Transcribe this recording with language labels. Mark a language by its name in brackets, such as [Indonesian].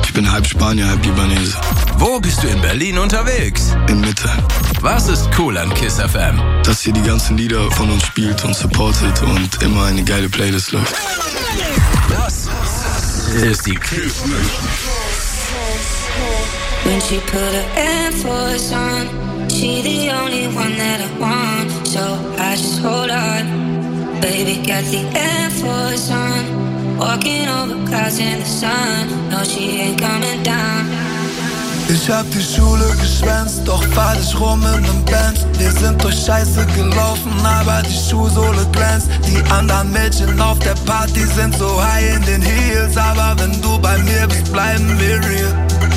[German] Ich bin halb Spanier, halb Libanese. Wo bist du in Berlin unterwegs? In Mitte. Was ist cool an KISS FM? Dass ihr die ganzen Lieder von uns spielt und supportet und immer eine geile Playlist läuft. Das ist die KISS München. [English] When she put her Air Force on, she the only one that I want. So I just hold on. Baby got the Air Force on, walking over clouds in the sun. No, she ain't coming down. [German] Ich hab die Schule geschwänzt, doch falsch rum in den Benz. Wir sind durch Scheiße gelaufen, aber die Schuhsohle glänzt. Die anderen Mädchen auf der Party sind so high in den Heels. Aber wenn du bei mir bist, bleiben wir real.